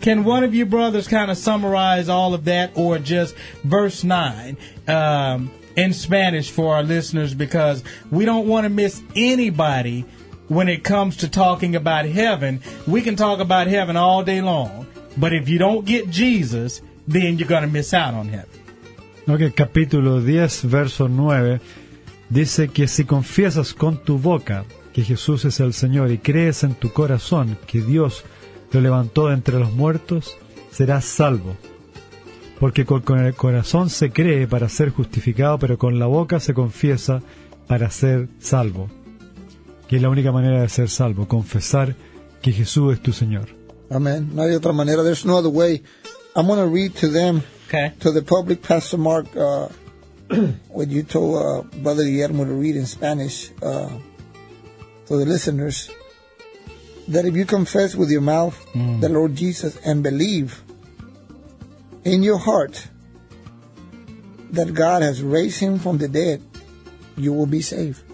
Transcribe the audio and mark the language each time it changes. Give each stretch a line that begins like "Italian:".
English: Can one of you brothers kind of summarize all of that, or just verse 9 in Spanish for our listeners? Because we don't want to miss anybody when it comes to talking about heaven. We can talk about heaven all day long, but if you don't get Jesus, then you're going to miss out on heaven.
Spanish: Ok, capítulo 10, verso 9, dice que si confiesas con tu boca que Jesús es el Señor y crees en tu corazón que Dios lo levantó de entre los muertos, serás salvo. Porque con el corazón se cree para ser justificado, pero con la boca se confiesa para ser salvo. Que es la única manera de ser salvo, confesar que Jesús es tu Señor. Amén. No hay otra manera.
English: There's no other way. I'm going to read to them. Okay. To the public, Pastor Mark, what you told Brother Guillermo to read in Spanish, to the listeners, that if you confess with your mouth the Lord Jesus and believe in your heart that God has raised him from the dead, you will be saved.